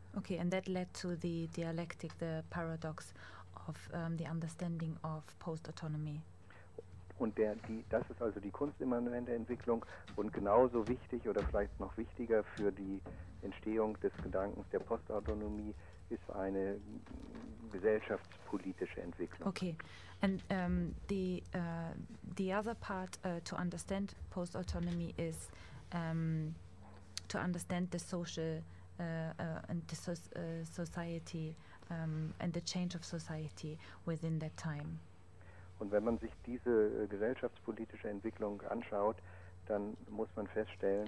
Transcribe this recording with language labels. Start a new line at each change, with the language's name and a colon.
English: Okay, and that led to the dialectic, the paradox of the understanding of post-autonomy.
German: Und das ist also die kunstimmanente Entwicklung und genauso wichtig oder vielleicht noch wichtiger für die Entstehung des Gedankens der Postautonomie ist eine gesellschaftspolitische Entwicklung.
English: Okay, and the other part to understand post-autonomy is to understand the social and the society and the change of society within that time.
German: Und wenn man sich diese gesellschaftspolitische Entwicklung anschaut, dann muss man feststellen...